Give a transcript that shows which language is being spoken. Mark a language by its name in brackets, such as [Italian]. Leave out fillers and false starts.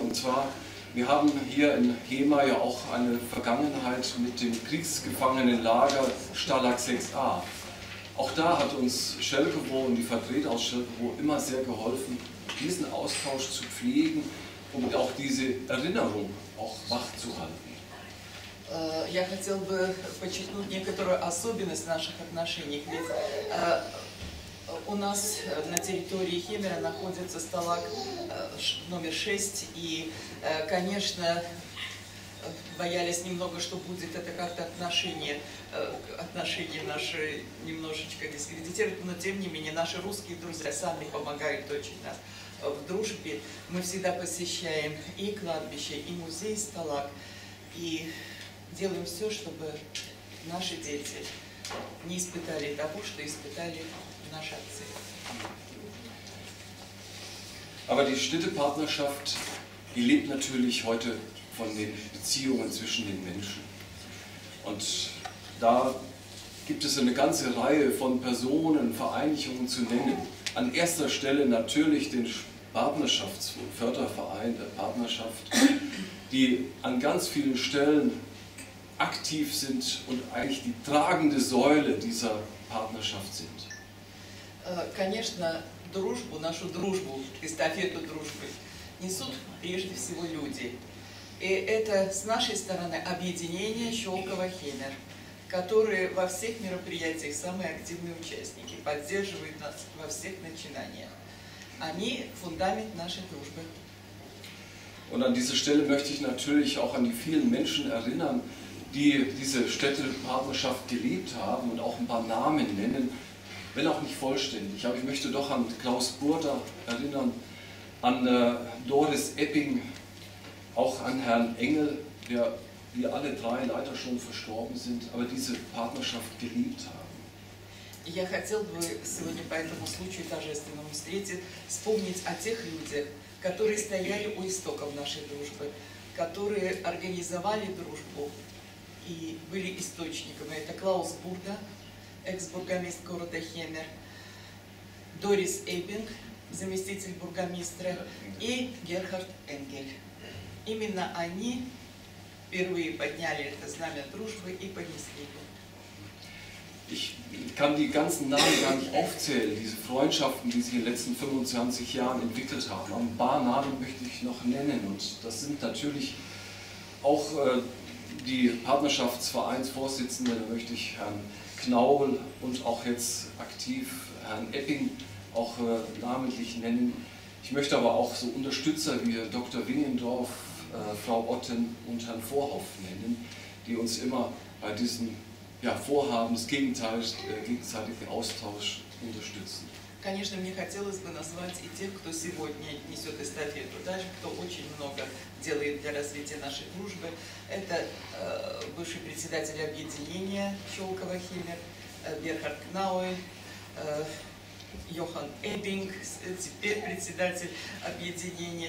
[German] Und zwar, wir haben hier in HEMA ja auch eine Vergangenheit mit dem Kriegsgefangenenlager Stalag 6a. Auch da hat uns Chelkovo und die Vertreter aus Chelkovo immer sehr geholfen, diesen Austausch zu pflegen und auch diese Erinnerung auch wach zu halten. [Russian] Я хотел бы подчеркнуть некоторую особенность наших отношений. Ведь у нас на территории Хемера находится сталаг номер 6. И, конечно, боялись немного, что будет это как-то отношения наши немножечко дискредитировать. Но, тем не менее, наши русские друзья сами помогают очень нас в дружбе. Мы всегда посещаем и кладбище, и музей сталаг, и... делаем все, чтобы наши дети не испытали того, что испытали наши отцы. [German] Aber die Städtepartnerschaft, die lebt natürlich heute von den Beziehungen zwischen den Menschen. Und da gibt es eine ganze Reihe von Personen, Vereinigungen zu nennen. An erster Stelle natürlich den Partnerschaftsförderverein der Partnerschaft, die an ganz vielen Stellen aktiv sind und eigentlich die tragende Säule dieser Partnerschaft sind. [Russian] Конечно, дружбу, нашу дружбу, эстафету дружбы несут прежде всего люди. И это с нашей стороны объединение Щелково-Хемер, которые во всех мероприятиях самые активные участники, поддерживают нас во всех начинаниях. Они фундамент нашей дружбы. [German] Und an dieser Stelle möchte ich natürlich auch an die vielen Menschen erinnern, die diese Städtepartnerschaft gelebt haben und auch ein paar Namen nennen, wenn auch nicht vollständig. Aber ich möchte doch an Klaus Burda erinnern, an Doris Epping, auch an Herrn Engel, der wir alle drei leider schon verstorben sind, aber diese Partnerschaft gelebt haben. [Russian] Я хотел бы сегодня по этому случаю торжественному встрече вспомнить о тех людях, которые стояли у истоков нашей дружбы, которые организовали дружбу и были источниками. Это Клаус Бурда, экс-бургомист города Хемер, Дорис Эббинг, заместитель бургомистра, и Герхард Энгель. Именно они впервые подняли это знамя дружбы и понесли его. [German] Ich kann die ganzen Namen gar nicht aufzählen, diese Freundschaften, die sich in den letzten 25 Jahren entwickelt haben. Ein paar Namen möchte ich noch nennen. Und das sind natürlich auch die Partnerschaftsvereinsvorsitzende, da möchte ich Herrn Knaul und auch jetzt aktiv Herrn Epping auch namentlich nennen. Ich möchte aber auch so Unterstützer wie Dr. Wingendorf, Frau Otten und Herrn Vorhoff nennen, die uns immer bei diesen ja, Vorhaben, das gegenseitige Austausch unterstützen. [Russian] Конечно, мне хотелось бы назвать и тех, кто сегодня несет эстафету, даже кто очень много делает для развития нашей дружбы. Это бывший председатель объединения Щелкова Химер, Герхард Кнауэль, Йохан Эббинг, теперь председатель объединения.